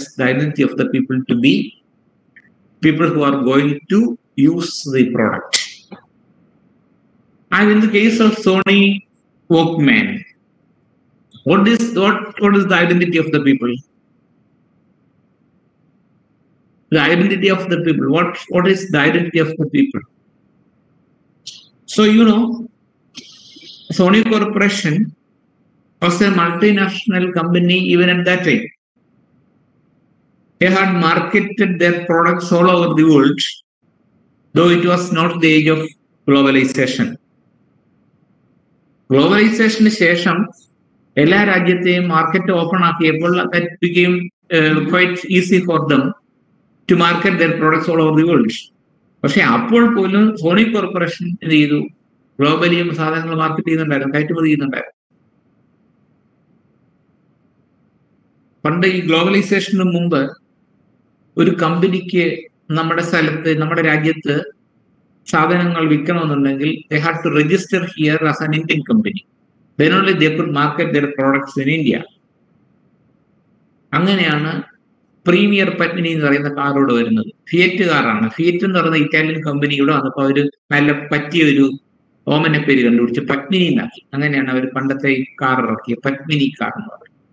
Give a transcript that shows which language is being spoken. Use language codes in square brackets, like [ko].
[en] Identity of the people to be people who are going to use the product. And in the case of Sony Walkman, what is the identity of the people? The identity of the people. What is the identity of the people? So, you know, Sony Corporation was a multinational company even at that time. They had marketed their products all over the world, though it was not the age of globalization. Globalization [ml] ശേഷം എല്ലാ രാജ്യത്തെയും market open ആക്കിയപ്പോൾ [en] that became quite easy for them to market their products all over the world. [ml] പക്ഷെ അപ്പോൾ പോലും Sony corporation എന്ത് ചെയ്തു, ഗ്ലോബലിയും സാധനങ്ങൾ market ചെയ്യുന്നുണ്ടായിരുന്നു, കയറ്റുമതി ചെയ്യുന്നുണ്ടായിരുന്നു. പണ്ട് ഈ ഗ്ലോബലൈസേഷന് മുമ്പ് ഒരു കമ്പനിക്ക് നമ്മുടെ സ്ഥലത്ത് നമ്മുടെ രാജ്യത്ത് സാധനങ്ങൾ വിൽക്കണമെന്നുണ്ടെങ്കിൽ [en] they had to register here as an Indian company. Then only they could market their products in India. [ml] അങ്ങനെയാണ് പ്രീമിയർ പത്മിനി എന്ന് പറയുന്ന കാറോട് വരുന്നത്. ഫിയറ്റ് കാറാണ്. ഫിയറ്റ് എന്ന് പറയുന്ന ഇറ്റാലിയൻ കമ്പനിയോട് വന്നപ്പോൾ അവർ നല്ല പറ്റിയ ഒരു ഓമനെ പേര് കണ്ടുപിടിച്ച് പത്മിനി എന്നാക്കി. അങ്ങനെയാണ് അവർ പണ്ടത്തെ കാർ ഇറക്കിയ പത്മിനി കാർ എന്ന് പറയുന്നത്.